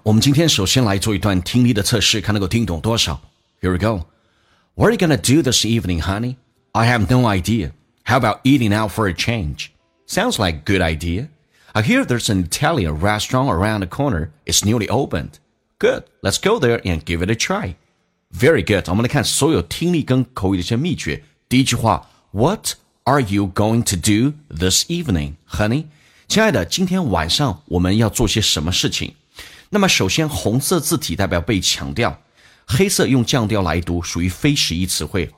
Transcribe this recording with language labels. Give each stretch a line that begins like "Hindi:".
Chinese: 我们今天首先来做一段听力的测试，看能够听懂多少。
English: Here we go. What are you gonna do this evening, honey? I have no idea. How about eating out for a change? Sounds like a good idea. I hear there's an Italian restaurant around the corner. It's newly opened. Good, let's go there and give it a try. Very good.
Chinese: 我们来看所有听力跟口语的一些秘诀。第一句话
English: What are you going to do this evening, honey?
Chinese: 亲爱的，今天晚上我们要做些什么事情？那么首先，红色字体代表被强调，黑色用降调来读，属于非实义词汇。